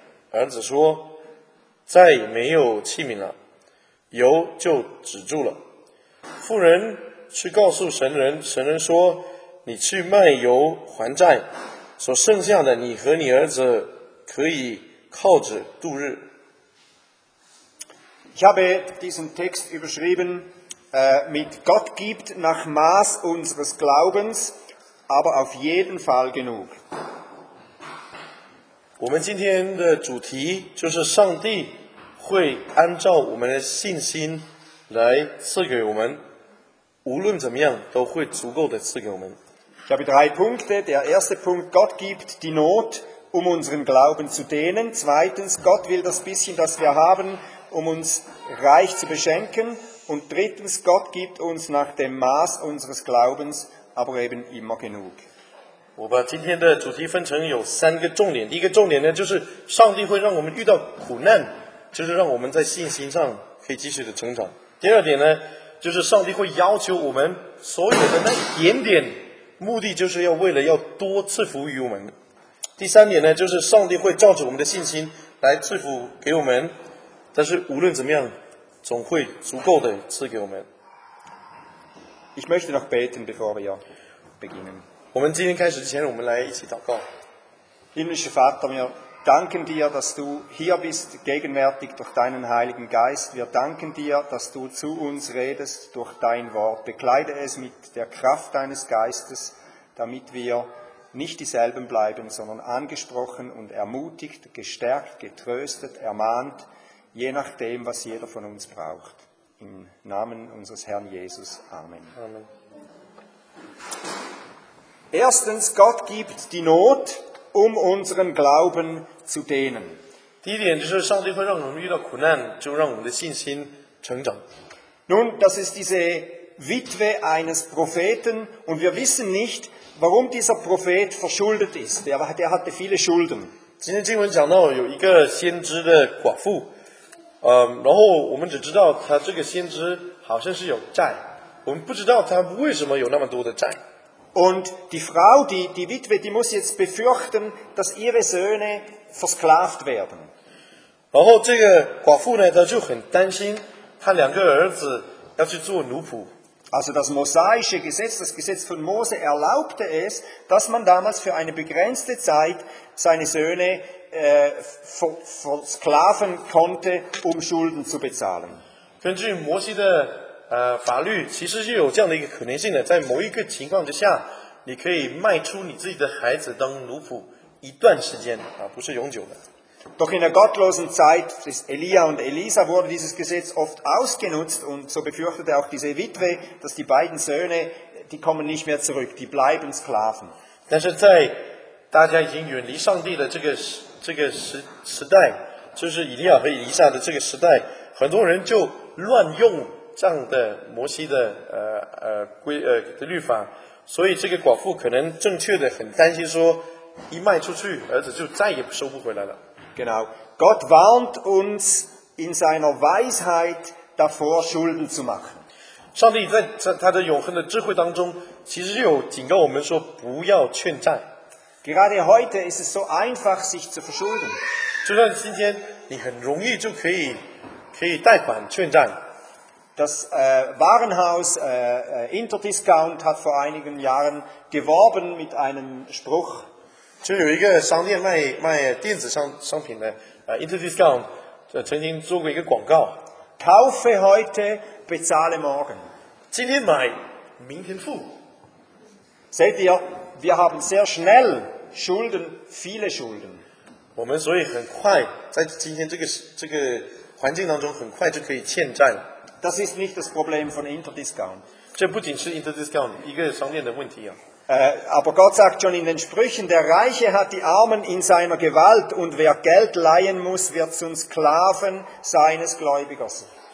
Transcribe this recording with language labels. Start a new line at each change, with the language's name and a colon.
Chinese: 儿子说，再没有器皿了，油就止住了。妇人去告诉神人，神人说，你去卖油还债，所剩下的你和你儿子可以靠着度日。
German: Ich habe diesen Text überschrieben, mit Gott gibt nach Maß unseres Glaubens, aber auf jeden Fall genug.
Chinese: 我们今天的主题就是上帝会按照我们的信心来赐给我们，无论怎么样都会足够的赐给我们。
German: Ich habe drei Punkte. Der erste Punkt, Gott gibt die Not, um unseren Glauben zu dehnen. Zweitens, Gott will das bisschen, das wir haben, um uns reich zu beschenken. Und drittens, Gott gibt uns nach dem Maß unseres Glaubens, aber eben immer genug.
Chinese: 我把今天的主题分成有三个重点。第一个重点呢，就是上帝会让我们遇到苦难，就是让我们在信心上可以继续的成长。第二点呢，就是上帝会要求我们所有的那一点点，目的就是要为了要多赐福于我们。第三点呢，就是上帝会照着我们的信心来赐福给我们，但是无论怎么样总会足够的赐给我们。
German: Ich möchte noch beten, bevor wir beginnen.
Chinese: 我们今天开始之前，我们来一起祷告。
German: Himmlische Vater, wir danken dir, dass du hier bist, gegenwärtig durch deinen Heiligen Geist. Wir danken dir, dass du zu uns redest durch dein Wort. Bekleide es mit der Kraft deines Geistes, damit wir nicht dieselben bleiben, sondern angesprochen und ermutigt, gestärkt, getröstet, ermahnt, je nachdem, was jeder von uns braucht. Im Namen unseres Herrn Jesus. Amen. Amen. Erstens, Gott gibt die Not, um unseren Glauben zu dehnen.
Chinese: 第一点就是上帝会让我们遇到苦难，就让我们的信心成长。
German: Nun, das ist diese Witwe eines Propheten, und wir wissen nicht, warum dieser Prophet verschuldet ist. Der hatte viele Schulden.
Chinese: 今天经文讲到有一个先知的寡妇，然后我们只知道他这个先知好像是有债，我们不知道他为什么有那么多的债。
German: Und die Frau, die Witwe, die muss jetzt befürchten, dass ihre Söhne versklavt werden.
Chinese: 然后这个寡妇呢，她就很担心，她两个儿子要去做奴仆。
German: Also das mosaische Gesetz, das Gesetz von Mose erlaubte es, dass man damals für eine begrenzte Zeit seine Söhne versklaven konnte, um Schulden zu bezahlen.
Chinese: 根据摩西的法律其实是有这样的一个可能性的，在某一个情况之下，你可以卖出你自己的孩子当奴仆一段时间，不是永久的。
German: Doch in der gottlosen Zeit des Elia und Elisa wurde dieses Gesetz oft ausgenutzt, und so befürchtete auch diese Witwe, dass die beiden Söhne, die kommen nicht mehr zurück, die bleiben Sklaven.
Chinese: 但是在大家已经远离上帝的这个 时代，就是以利亚和以利沙的这个时代，很多人就乱用这样的摩西的的律法，所以这个寡妇可能正确的很担心说，一卖出去儿子就再也收不回来了。
German: Genau. Gott warnt uns in seiner Weisheit davor, Schulden zu machen.
Chinese: 上帝在他的永恒的智慧当中，其实有警告我们说不要欠债。
German: Gerade heute ist es so einfach, sich zu verschulden.
Chinese: 就像今天，你很容易就可以贷款欠债。
German: Das Warenhaus Interdiscount hat vor einigen Jahren geworben mit einem Spruch.
Chinese: 就有一个商店卖电子商品的 Interdiscount 曾经做过一个广告。
German: Kaufe heute, bezahle morgen.
Chinese: 今天买, 明天付。
German: Seht ihr, wir haben sehr schnell Schulden, viele Schulden.
Chinese: 我们所以很快在今天这个环境当中很快就可以欠债。
German: Das ist nicht das Problem von Interdiscount.
Chinese: 这不仅是 Interdiscount 一个商店的问题啊。
German: Aber Gott sagt schon in den Sprüchen, der Reiche hat die Armen in seiner Gewalt und wer Geld leihen muss, wird zum Sklaven seines Gläubigers.